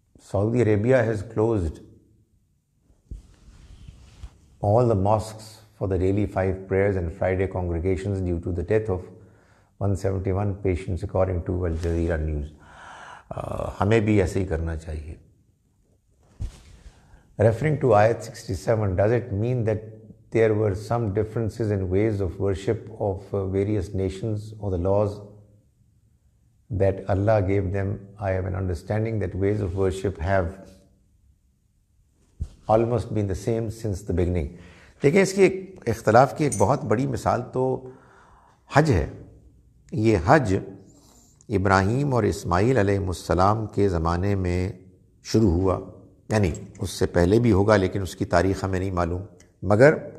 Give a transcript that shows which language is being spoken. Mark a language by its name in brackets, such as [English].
[English] Saudi Arabia has closed all the mosques for the daily five prayers and Friday congregations due to the death of 171 patients according to Al Jazeera news. [Urdu] ہمیں بھی ایسے ہی کرنا چاہیے. [English] Referring to Ayat 67, does it mean that there were some differences in ways of worship of various nations or the laws that Allah gave them? I have an understanding that ways of worship have almost been the same since the beginning. [Urdu] دیکھیں, اس کی ایک اختلاف کی ایک بہت بڑی مثال تو حج ہے. یہ حج ابراہیم اور اسماعیل علیہ السلام کے زمانے میں شروع ہوا, یعنی اس سے پہلے بھی ہوگا لیکن اس کی تاریخ ہمیں نہیں معلوم, مگر